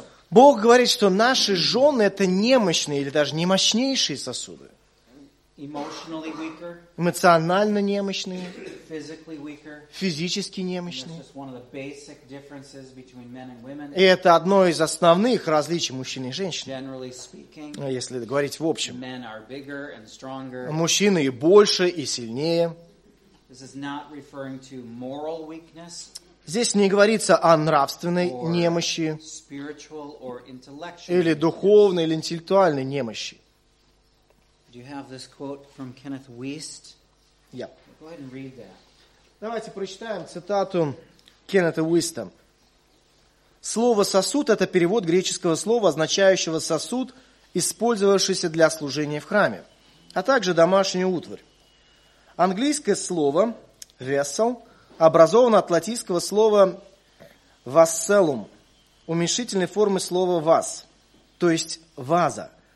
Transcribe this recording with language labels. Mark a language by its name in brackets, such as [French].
[Russian] Бог говорит, что наши жены это немощные или даже немощнейшие сосуды. [English] Emotionally weaker, [Russian] эмоционально немощные, [English] physically weaker, [Russian] физически немощные. [English] And that's just one of the basic differences between men and women. [Russian] И это одно из основных различий мужчин и женщин. [English] Generally speaking, [Russian] если говорить в общем, [English] men are bigger and stronger. [Russian] Мужчины и больше, и сильнее. [English] This is not referring to moral weakness. [Russian] Здесь не говорится о нравственной немощи [English] spiritual or intellectual [Russian] или духовной или интеллектуальной немощи. [English] Do you have this quote from Kenneth Wiest? Yep. Go ahead and read that. [Russian] Давайте прочитаем цитату Кеннета Уиста. Слово «сосуд» — это перевод греческого слова, означающего «сосуд», использовавшийся для служения в храме, а также домашнюю утварь. Английское слово «vessel» образовано от латинского слова «vasellum», уменьшительной формы слова «vas», то есть «ваза».